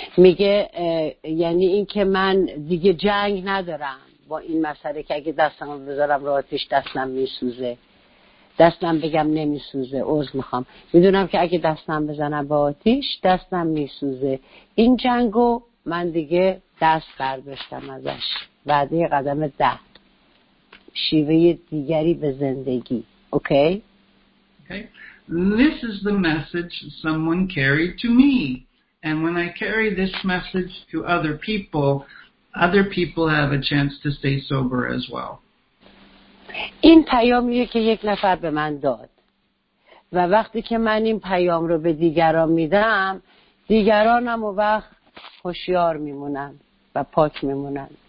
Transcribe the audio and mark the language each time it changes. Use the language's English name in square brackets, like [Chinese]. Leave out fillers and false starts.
[Persian] میگه یعنی این که من دیگه جنگ ندارم با این مسئله که اگه دستم رو بذارم رو آتش دستم میسوزه، دستم بگم نمیسوزه، عذر میخوام، میدونم که اگه دستم بزنم با آتش دستم میسوزه، این جنگو من دیگه دست برداشتم ازش. بعدی قدم 10، شیوه دیگری به زندگی. اوکی. [English] This is the message someone carried to me. And when I carry this message to other people have a chance to stay sober as well. [Persian] این پیامیه که یک نفر به من داد. و وقتی که من این پیام رو به دیگران میدم، دیگرانم اون وقت هوشیار میمونن و پاک میمونن.